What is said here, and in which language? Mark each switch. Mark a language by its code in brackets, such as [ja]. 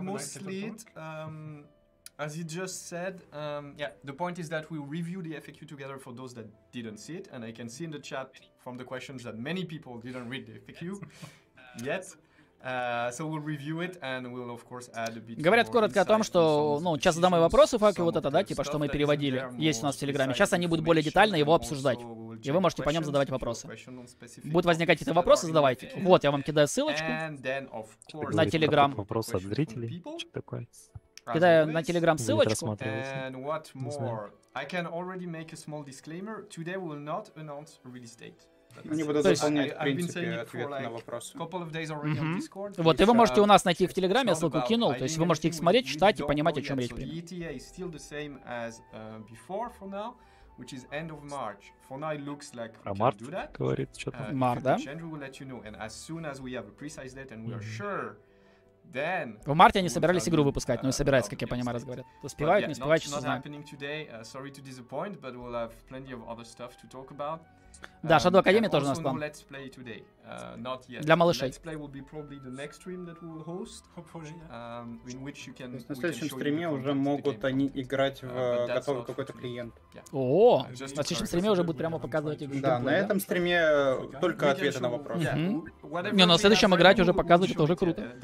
[en] mostly it. As you just said, the point is that we review the FAQ together for those that didn't see it, and I can see in the chat from the questions that many people didn't read the FAQ yet. So we'll review it and we'll of course add a bit. [ru] Говорят коротко о том, что, ну, сейчас задам мои вопросы, FAQ вот это, да, типа, что мы переводили, есть у нас в Телеграме. Сейчас они будут более детально его обсуждать. И вы можете по нем задавать вопросы. Будут возникать какие-то вопросы, задавайте. Вот, я вам кидаю ссылочку на Телеграм. Вопрос от зрителей. Что такое? Кидаю на Телеграм ссылочку. [en] And what more? I can already make a small disclaimer. Today we will not announce release date. [ru] Не буду заполнять, в принципе, ответ на вопрос. Вот, и вы можете у нас найти их в Телеграме, я ссылку кинул. То есть вы можете их смотреть, читать и понимать, о чем речь. [en] ETA is still the same as before for now. Which is end of March. For now, it looks like we can do that. [ru] Говорит, что-то. Март, да? [en] And we will let you know. And as soon as we have a precise date and we are sure, then. [ru] В марте они собирались игру выпускать, но и собираются, как я понимаю, раз говорят. Успевают, не успевают, что-то знаю. [en] Not happening today. Sorry to disappoint, but we'll have plenty of other stuff to talk about. [ru] Да, Shadow Academy тоже у нас план. [en] Let's play today. Not yet. [ru] Для малышей. [en] Let's play will be probably the next stream that we'll host. Hopefully. In which you can. [ru] На следующем стриме уже могут они играть в готовый какой-то клиент. О, на следующем стриме уже будут прямо показывать игру. Да, на этом стриме только ответы на вопросы. Не, на следующем играть уже показывать, это уже круто.